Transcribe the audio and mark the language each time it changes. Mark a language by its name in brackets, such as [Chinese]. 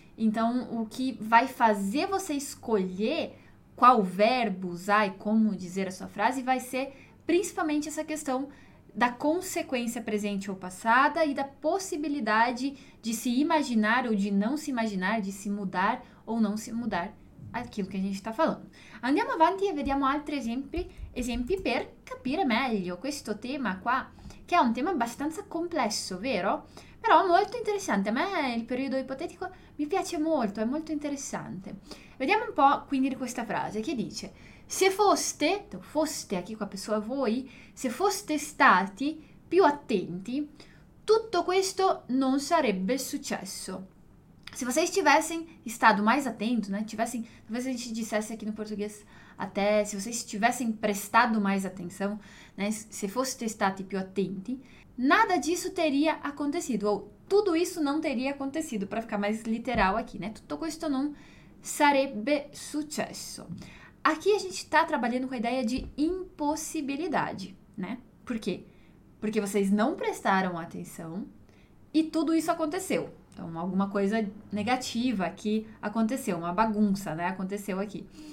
[Portuguese] Então, o que vai fazer você escolher qual verbo usar e como dizer a sua frase vai ser. Principalmente essa questão da consequência presente ou passada e da possibilidade de se imaginar ou de não se imaginar, de se mudar ou não se mudar aquilo que a gente está falando. [Italian] Andiamo avanti e vediamo altri esempi per capire meglio questo tema qua, che è un tema abbastanza complesso, vero? Però molto interessante. A me il periodo ipotetico mi piace molto, è molto interessante. Vediamo un po' quindi questa frase che dice. Se foste, foste [Portuguese] aqui com a pessoa [Italian] voi, se foste stati più attenti, tutto questo non sarebbe successo. [Portuguese] Se vocês tivessem estado mais atentos, né? Tivessem, talvez a gente dissesse aqui no português até, se vocês tivessem prestado mais atenção, né? [Italian] Se foste stati più attenti, [Portuguese] nada disso teria acontecido, ou tudo isso não teria acontecido, para ficar mais literal aqui, né? [Italian] Tutto questo non sarebbe successo. [Portuguese] Aqui a gente está trabalhando com a ideia de impossibilidade, né? Por quê? Porque vocês não prestaram atenção e tudo isso aconteceu. Então, alguma coisa negativa aqui aconteceu, uma bagunça, né? Aconteceu aqui.